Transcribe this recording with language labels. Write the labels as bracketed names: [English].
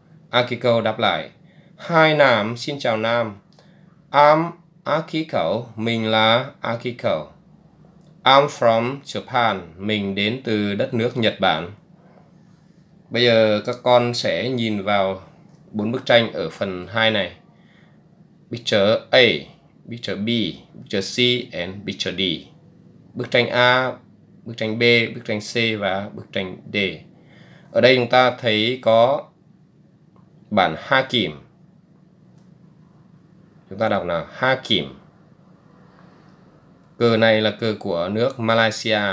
[Vietnamese] Akiko đáp lại. [English] Hi Nam, [Vietnamese] xin chào Nam. [English] I'm Akiko, [Vietnamese] mình là Akiko. [English] I'm from Japan, [Vietnamese] mình đến từ đất nước Nhật Bản. Bây giờ các con sẽ nhìn vào bốn bức tranh ở phần 2 này. [English] Picture A, picture B, picture C and picture D. [Vietnamese] Bức tranh A, bức tranh B, bức tranh C và bức tranh D. Ở đây chúng ta thấy có bản Hakim. Chúng ta đọc là Hakim. Cờ này là cờ của nước Malaysia.